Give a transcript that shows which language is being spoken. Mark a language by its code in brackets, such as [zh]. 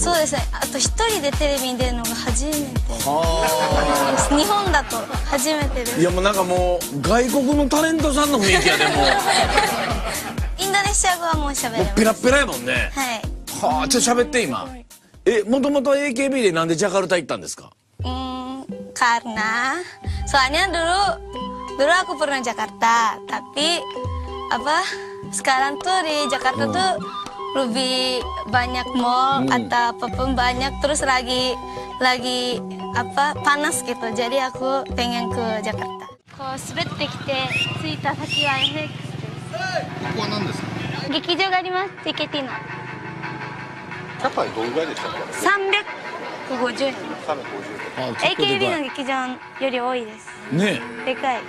[ja] そうですね、あと一人でテレビに出るのが初めて。はー、日本だと初めてです。いやもうなんかもう外国のタレントさんの雰囲気やで、もうインドネシア語はもう喋れます。ペラペラやもんね。はい、はー、ちょっと喋って今。もともと AKB でなんでジャカルタ行ったんですか。 [id] Karena soalnya dulu aku pernah Jakarta, tapi apa sekarang tuh di Jakarta tuh lebih banyak mall atau apa banyak, terus lagi apa panas gitu, jadi aku pengen ke Jakarta. [ja] こう滑ってきて着いた先は FX です。ここは何ですか。劇場があります。チケティの。キャパはどのぐらいでしたっけ。350円。 AKB の劇場より多いです。ねえ、でかい。